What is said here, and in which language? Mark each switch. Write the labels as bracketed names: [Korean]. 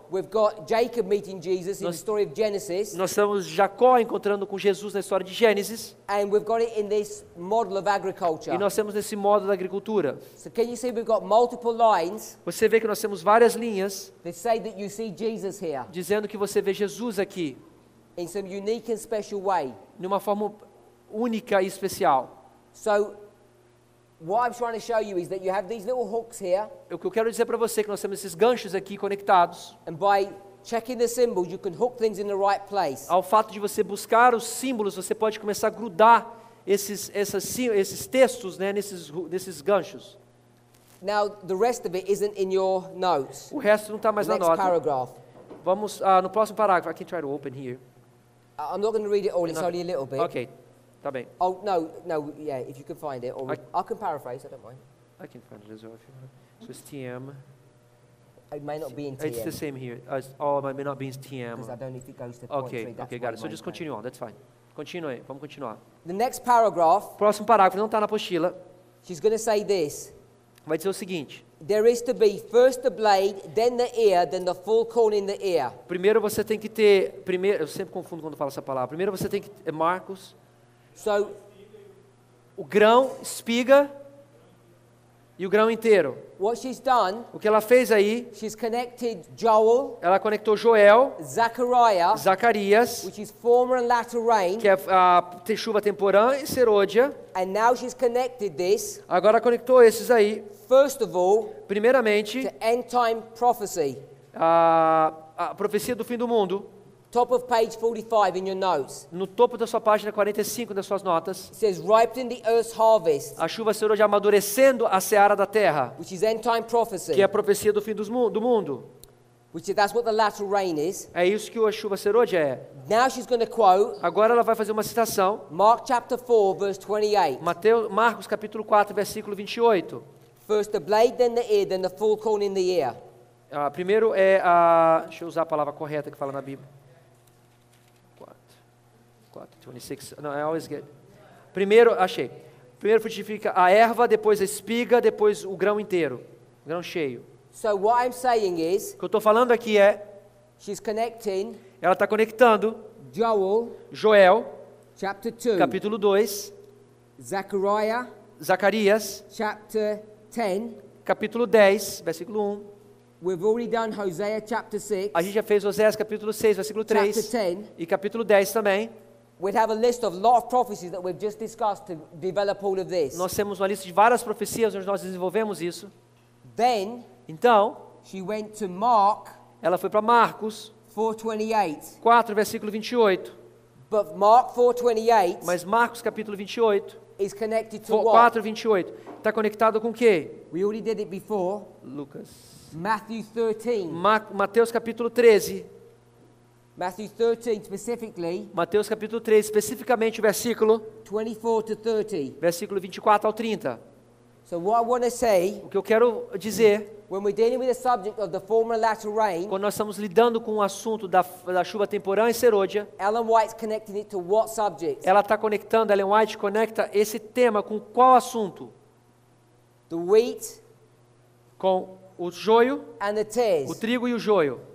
[English] we've got Jacob meeting Jesus in the story of Genesis. [Portuguese] Nós temos Jacó encontrando com Jesus na história de Gênesis. [English] And we've got it in this model of agriculture. [Portuguese] E nós temos nesse modo da agricultura. [English] So can you see we've got multiple lines? [Portuguese] Você vê que nós temos várias linhas. [English] They say that you see Jesus here. [Portuguese] Dizendo que você vê Jesus aqui. [English] In some unique and special way. [Portuguese] De uma forma única e especial. [English] So what I'm trying to show you is that you have these little hooks here. [Portuguese] O que eu quero dizer para você é que nós temos esses ganchos aqui conectados. [English] And by checking the symbols, you can hook things in the right place. [Portuguese] Ao fato de você buscar os símbolos, você pode começar a grudar esses textos, né, nesses ganchos. [English] Now the rest of it isn't in your notes. [Portuguese] O resto não está mais na nota. [English] Next paragraph. [Portuguese] Vamos no próximo parágrafo. [English] I can try to open here. I'm not going to read it all. It's only a little bit. [Portuguese] Okay. Tá bem. [English] Oh, no, yeah, if you can find it, or I can paraphrase, I don't mind. I can find it as well, if you want. So it's TM. It may not be in TM. It's the same here. Oh, it may not be in TM. Because I don't know if it goes to point okay, three. Okay, got it. So just continue on, that's fine. [Portuguese] Continue, vamos continuar. [English] The next paragraph. [Portuguese] Próximo parágrafo, não está na apostila. [English] She's going to say this. [Portuguese] Vai dizer o seguinte. [English] There is to be first the blade, then the ear, then the full corn in the ear. [Portuguese] Primeiro você tem que ter, primeiro, eu sempre confundo quando falo essa palavra. Primeiro você tem que, é Marcos. [English] So, [Portuguese] o grão, espiga e o grão inteiro. [English] What she's done, [Portuguese] o que ela fez aí, [English] she's connected Joel, [Portuguese] ela conectou Joel, [English] Zachariah, [Portuguese] Zacarias, [English] which is former and latter rain, [Portuguese] que é a chuva temporã, e Serodia, [English] and now she's connected this, [Portuguese] agora conectou esses aí, [English] first of all, [Portuguese] primeiramente, [English] to end time prophecy, [Portuguese] a profecia do fim do mundo. [English] Top of page 45 in your notes. [Portuguese] No topo da sua página 45 das suas notas. [English] It says ripening the earth's harvest. [Portuguese] A chuva será já amadurecendo a seara da terra. [English] Which is end time prophecy. [Portuguese] Que é a profecia do fim do mundo. [English] Which is, that's what the latter rain is. [Portuguese] É isso que a chuva serôdia é. [English] Now she's going to quote. [Portuguese] Agora ela vai fazer uma citação. [English] Mark chapter 4 verse 28. [Portuguese] Marcos capítulo 4 versículo 28. [English] First the blade, then the ear, then the full corn in the ear. [Portuguese] Primeiro é a deixa eu usar a palavra correta que fala na Bíblia. 26, não, [English] I always get. [Portuguese] Primeiro, achei. Primeiro frutifica a erva, depois a espiga, depois o grão inteiro, o grão cheio. [English] So what I'm saying is, [Portuguese] o que eu estou falando aqui é, [English] she's connecting, [Portuguese] ela está conectando [English] Joel, chapter 2, [Portuguese] capítulo 2, [English] Zachariah, [Portuguese] Zacarias, [English] chapter 10, [Portuguese] capítulo 10, versículo 1. [English] We've already done Hosea, chapter 6, [Portuguese] a gente já fez Oséias, capítulo 6, versículo 3, [English] chapter 10, [Portuguese] e capítulo 10 também. [English] We have a list of a lot of prophecies that we've just discussed to develop all of this. [Portuguese] Nós temos uma lista de várias profecias onde nós desenvolvemos isso. [English] Then, [Portuguese] então, [English] she went to Mark. [Portuguese] Ela foi para Marcos 4:28. 4 versículo 28. [English] But Mark 4:28. [Portuguese] Mas Marcos capítulo 28. [English] Is connected to 4, what? [Portuguese] 4:28. Está conectado com o quê? [English] We already did it before. [Portuguese] Lucas. [English] Matthew 13. [Portuguese] Mateus capítulo 13. [English] Matthew 13 specifically, [Portuguese] Mateus capítulo 13 especificamente o versículo [English] 24 to 30. [Portuguese] Versículo 24 ao 30. [English] So what I want to say, [Portuguese] o que eu quero dizer, [English] when we're dealing with the subject of the former and latter rain, [Portuguese] quando nós estamos lidando com o assunto da chuva temporã e serôdia, [English] Ellen White's connecting it to what subject? [Portuguese] Ela está conectando, Ellen White conecta esse tema com qual assunto? [English] The wheat, [Portuguese] com o joio, [English] and the tares. [Portuguese] O trigo e o joio.